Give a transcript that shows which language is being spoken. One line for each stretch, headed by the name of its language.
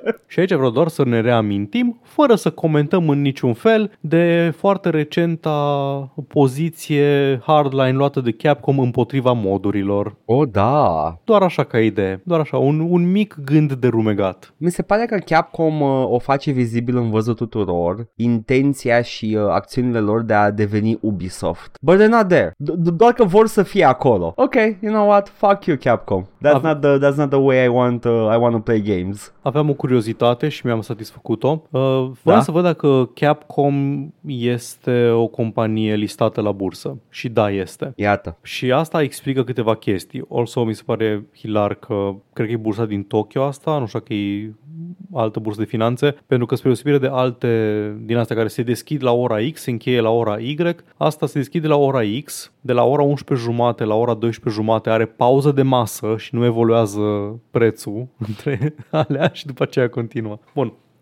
Romanian: Și aici vreau doar să ne reamintim, fără să comentăm în niciun fel, de foarte recenta poziție hardline luată de Capcom împotriva modurilor. Oh, da. Doar așa ca idee. Doar așa, un mic gând de rumegat. Mi se pare că Capcom o face vizibil în văzut tuturor intenția și acțiunile lor de a deveni Ubisoft.
English: But they're not there.
Romanian: Doar că vor să fie acolo.
English: Ok, you know what? Fuck you, Capcom. That's not the way I want to play games.
Romanian: Aveam o curiozitate și mi-am satisfăcut-o. Vreau să văd dacă Capcom este o companie listată la bursă. Și da, este. Iată. Și asta explică câteva chestii.
English: Also,
Romanian: mi se pare hilar că cred că e bursa din Tokyo asta, nu știu că e altă bursă de finanțe, pentru că spre deosebire de alte din astea care se deschid la ora X, se încheie la ora Y, asta se deschide la ora X, de la ora 11:30 la ora 12:30 are pauză de masă și nu evoluează prețul între alea și după aceea continuă. Bun.